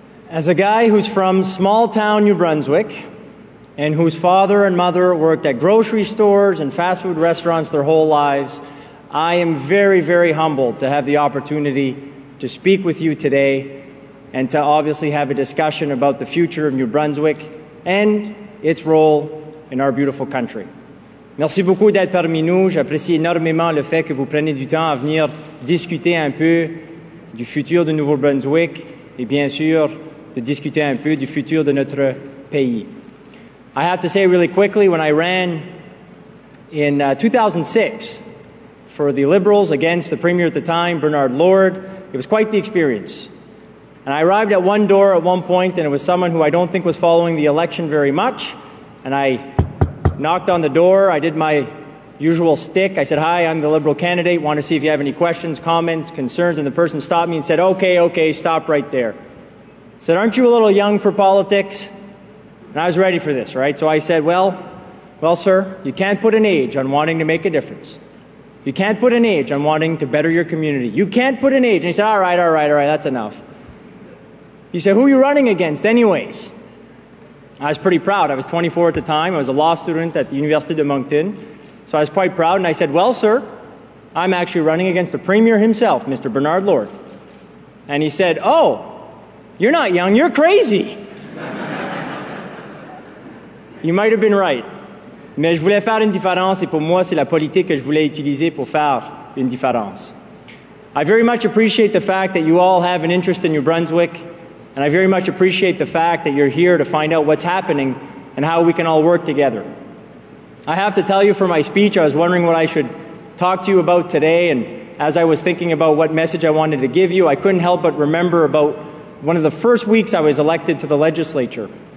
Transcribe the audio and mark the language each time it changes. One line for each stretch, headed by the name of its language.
English: As a guy who's from small town New Brunswick and whose father and mother worked at grocery stores and fast food restaurants their whole lives, I am very, very humbled to have the opportunity to speak with you today and to obviously have a discussion about the future of New Brunswick and its role in our beautiful country.
French: Merci beaucoup d'être parmi nous. J'apprécie énormément le fait que vous preniez du temps à venir discuter un peu du futur de Nouveau-Brunswick et bien sûr de discuter un peu du futur de notre pays.
English: I have to say really quickly, when I ran in 2006 for the Liberals against the Premier at the time, Bernard Lord, it was quite the experience. And I arrived at one door at one point, and it was someone who I don't think was following the election very much, and I knocked on the door, I did my usual stick, I said, hi, I'm the Liberal candidate, want to see if you have any questions, comments, concerns, and the person stopped me and said, okay, stop right there. Said, aren't you a little young for politics? And I was ready for this, right? So I said, well, sir, you can't put an age on wanting to make a difference. You can't put an age on wanting to better your community. You can't put an age. And he said, all right, that's enough. He said, who are you running against anyways? I was pretty proud. I was 24 at the time. I was a law student at the University of Moncton. So I was quite proud. And I said, well, sir, I'm actually running against the Premier himself, Mr. Bernard Lord. And he said, oh, you're not young, you're crazy. You might have been right.
French: Mais je voulais faire une différence, et pour moi, c'est la politique que je voulais utiliser pour faire une différence.
English: I very much appreciate the fact that you all have an interest in New Brunswick, and I very much appreciate the fact that you're here to find out what's happening and how we can all work together. I have to tell you, for my speech, I was wondering what I should talk to you about today, and as I was thinking about what message I wanted to give you, I couldn't help but remember about one of the first weeks I was elected to the legislature.